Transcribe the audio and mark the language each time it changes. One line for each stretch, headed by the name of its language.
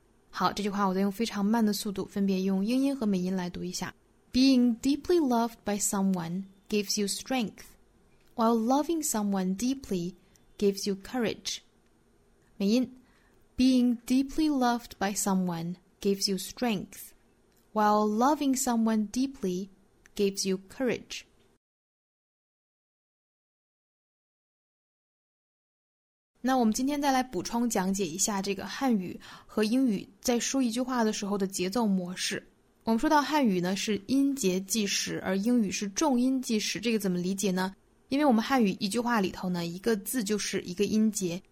Chinese: 好，这句话我再用非常慢的速度分别用英音和美音来读一下。
English: Being deeply loved by someone gives you strength, while loving someone deeply gives you courage.
Chinese: 美音
English: Being deeply loved by someone gives you strength, while loving someone deeply gives you courage.
Chinese: 那我们今天再来补充讲解一下这个汉语和英语在说一句话的时候的节奏模式。我们说到汉语呢是音节计时，而英语是重音计时，这个怎么理解呢？因为我们汉语一句话里头呢一个字就是一个音节，